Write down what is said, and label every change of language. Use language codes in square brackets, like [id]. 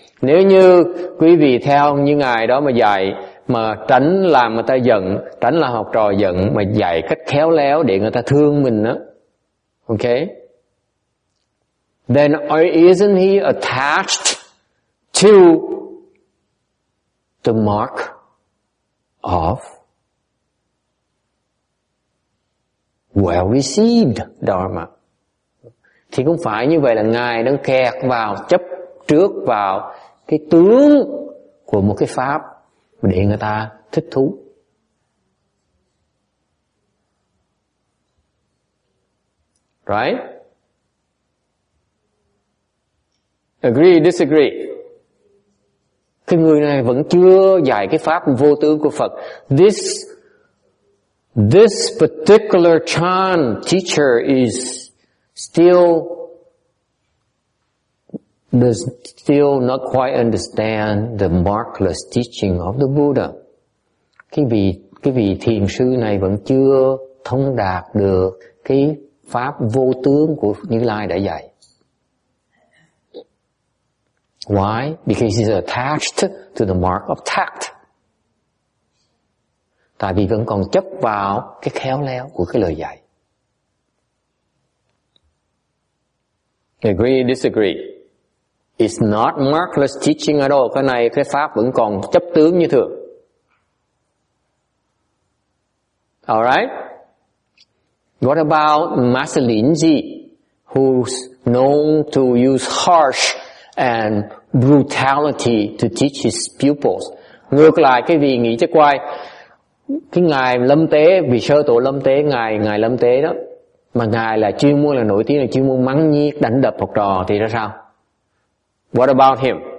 [vi] Nếu như quý vị theo như ngài đó mà dạy, mà tránh làm người ta giận, tránh làm học trò giận, mà dạy cách khéo léo để người ta thương mình đó, okay? [en] Then isn't he attached to the mark of well-received Dharma? [vi] Thì cũng phải như vậy, là ngài đang kẹt vào, chấp trước vào cái tướng của một cái pháp để người ta thích thú. [en] Right? Agree, disagree? [vi] Cái người này vẫn chưa dạy cái pháp vô tướng của Phật. [en] This particular Chan teacher is still not quite understand the markless teaching of the Buddha. [vi] Cái vị thiền sư này vẫn chưa thông đạt được cái pháp vô tướng của Như Lai đã dạy. [en] Why? Because he's attached to the mark of tact. [vi] Tại vì vẫn còn chấp vào cái khéo léo của cái lời dạy. [en] Agree, disagree? It's not markless teaching at all. [vi] Cái này cái pháp vẫn còn chấp tướng như thường. [en] Alright? What about Master Linji, who's known to use harsh and brutality to teach his pupils? [vi] Ngược lại, cái vị nghĩ chắc quay, cái ngài Lâm Tế, vị sơ tổ Lâm Tế, ngài Lâm Tế đó, mà ngài là chuyên môn là nổi tiếng là chuyên môn mắng nhiếc đánh đập học trò thì ra sao? [en] What about him?